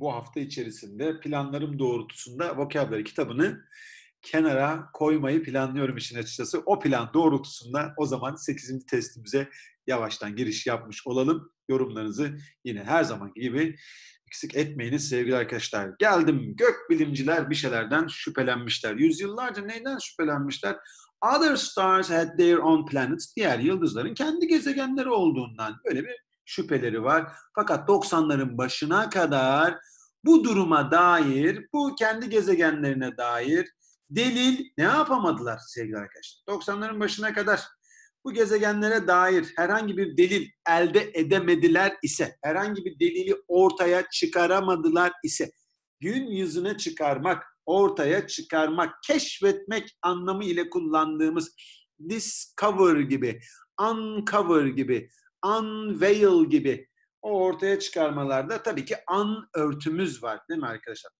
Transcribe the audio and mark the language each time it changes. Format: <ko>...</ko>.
<tr>Bu hafta içerisinde planlarım doğrultusunda vokabülary kitabını kenara koymayı planlıyorum işin açıkçası. O plan doğrultusunda o zaman 8. testimize yavaştan giriş yapmış olalım. Yorumlarınızı yine her zamanki gibi eksik etmeyiniz sevgili arkadaşlar. Geldim, gök bilimciler bir şeylerden şüphelenmişler. Yüzyıllarca neyden şüphelenmişler?</tr> <en>Other stars had their own planets.</en> <tr>Diğer yıldızların kendi gezegenleri olduğundan böyle bir şüpheleri var. Fakat 90'ların başına kadar bu duruma dair, bu kendi gezegenlerine dair delil ne yapamadılar sevgili arkadaşlar? 90'ların başına kadar bu gezegenlere dair herhangi bir delil elde edemediler ise, herhangi bir delili ortaya çıkaramadılar ise, gün yüzüne çıkarmak, ortaya çıkarmak, keşfetmek anlamı ile kullandığımız discover gibi, uncover gibi, unveil gibi o ortaya çıkarmalarda tabii ki unörtümüz var değil mi arkadaşlar?</tr>